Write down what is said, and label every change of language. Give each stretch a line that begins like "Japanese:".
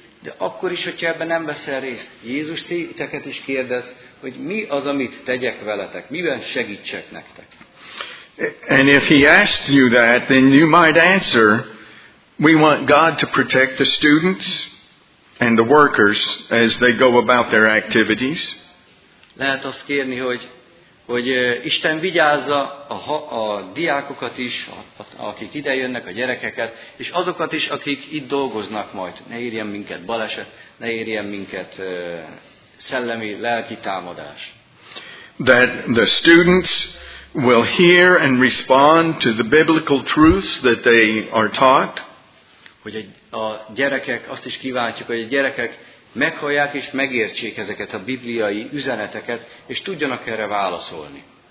Hungarian: De akkor is, hogyha ebben nem veszel részt, Jézus titeket is kérdez, hogy mi az, amit tegyek veletek, miben segítsek nektek.
English: And if he asked you that, then you might answer, we want God to protect the students and the workers as they go about their activities.
Hungarian: Lehet azt kérni, hogy Isten vigyázza a diákokat is, akik ide jönnek, a gyerekeket, és azokat is, akik itt dolgoznak majd. Ne érjen minket baleset, ne érjen minket szellemi, lelki támadás.
English: That the students will hear and respond to the biblical truths that they are taught.
Hungarian: Hogy a gyerekek, azt is kívánjuk, hogy a gyerekek meghallják és megértsék ezeket a bibliai üzeneteket, és tudjanak erre válaszolni.